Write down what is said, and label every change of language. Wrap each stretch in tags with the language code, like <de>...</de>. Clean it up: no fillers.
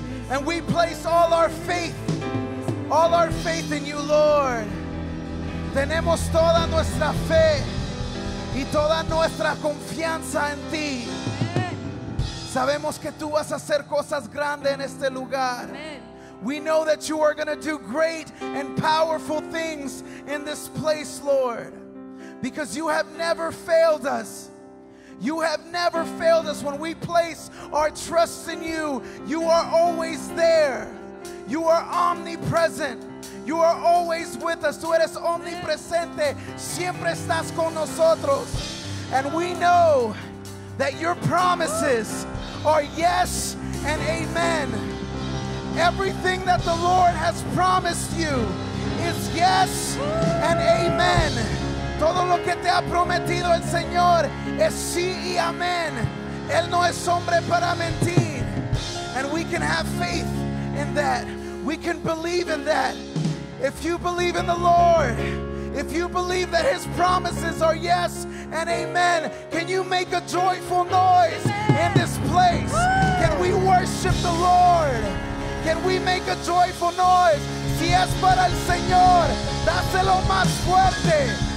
<en>And we place all our faith in you, Lord.</en> <es>Tenemos toda nuestra fe y toda nuestra confianza en ti. Sabemos que tú vas a hacer cosas grandes en este lugar.</es> <en>We know that you are going to do great and powerful things in this place, Lord, because you have never failed us. You have never failed us. When we place our trust in you, you are always there. You are omnipresent. You are always with us.</en> <es>Tú eres omnipresente. Siempre estás con nosotros.</es> <en>And we know that your promises are yes and amen. Everything that the Lord has promised you is yes and amen.</en> <es>Todo lo que te ha prometido el Señor es sí y amén. Él no es hombre para mentir.</es> <en>And we can have faith in that. We can believe in that. If you believe in the Lord, if you believe that his promises are yes and amen, can you make a joyful noise in this place? Can we worship the Lord? Can we make a joyful noise?</en> <es>Si es para el Señor, dáselo más fuerte.</es>